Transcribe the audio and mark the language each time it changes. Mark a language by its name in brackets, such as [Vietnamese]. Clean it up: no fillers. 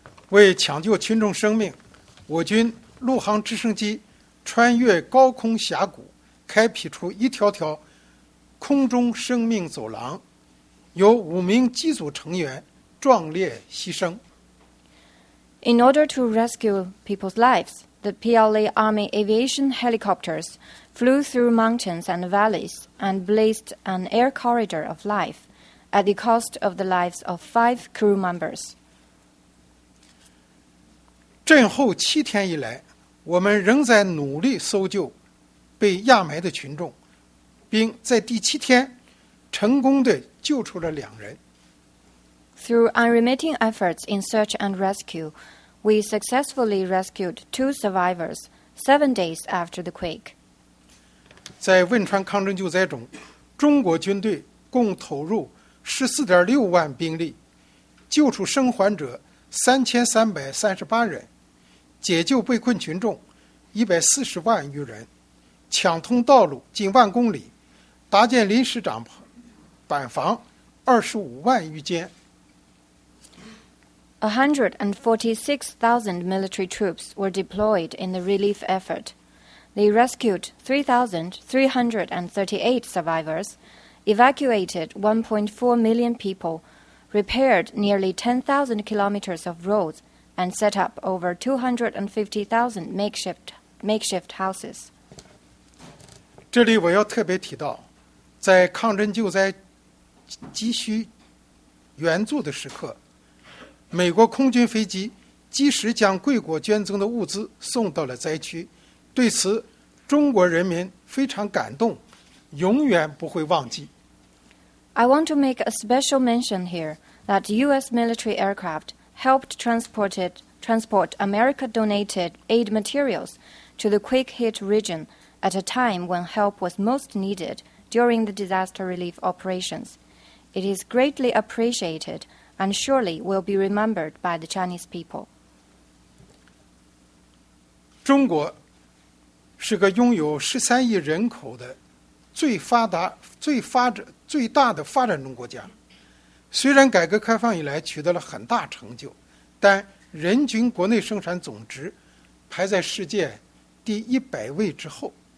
[Chinese] 为抢救群众生命，我军陆航直升机穿越高空峡谷，开辟出一条条空中生命走廊。有五名机组成员壮烈牺牲。 [English] In order to rescue people's lives, the PLA Army aviation helicopters flew through mountains and valleys and blazed an air corridor of life at the cost of the lives of 5 crew members. [Chinese] 震后七天以来，我们仍在努力搜救被压埋的群众，并在第七天成功地救出了两人。 [English] Through unremitting efforts in search and rescue, we successfully rescued two survivors 7 days after the quake. [Chinese] 在汶川抗震救灾中，中国军队共投入14.6万兵力，救出生还者3338人，解救被困群众140万余人，抢通道路近1万公里，搭建临时帐篷、板房25万余间。 [English] 146,000 military troops were deployed in the relief effort. They rescued 3,338 survivors, evacuated 1.4 million people, repaired nearly 10,000 kilometers of roads, and set up over 250,000 makeshift houses. [Chinese] 这里我要特别提到，在抗震救灾急需援助的时刻，美国空军飞机及时将贵国捐赠的物资送到了灾区，对此中国人民非常感动，永远不会忘记。 [English] I want to make a special mention here that U.S. military aircraft helped transport America-donated aid materials to the quake-hit region at a time when help was most needed during the disaster relief operations. It is greatly appreciated. And surely will be remembered by the Chinese people. [Chinese] 中国是个拥有13亿人口的最大的发展中国家。虽然改革开放以来取得了很大成就，但人均国内生产总值排在世界第100位之后。